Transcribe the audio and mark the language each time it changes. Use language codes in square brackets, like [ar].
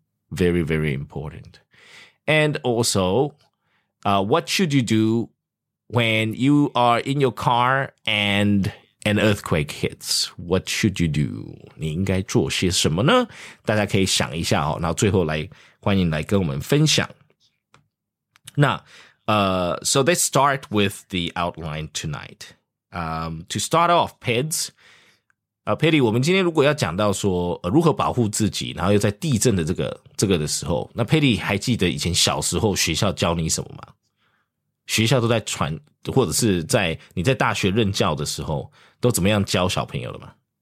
[en] Very, very important. And also... what should you do when you are in your car and an earthquake hits? What should you do? [zh] 你应该做些什么呢？大家可以想一下哦，然后最后来欢迎来跟我们分享。 [en] 那so let's start with the outline tonight. To start off, Peds. [zh] Pedi, 我们今天如果要讲到说如何保护自己，然后又在地震的这个的时候，那 Pedi 还记得以前小时候学校教你什么吗？学校都在传，或者是在你在大学任教的时候，都怎么样教小朋友了吗？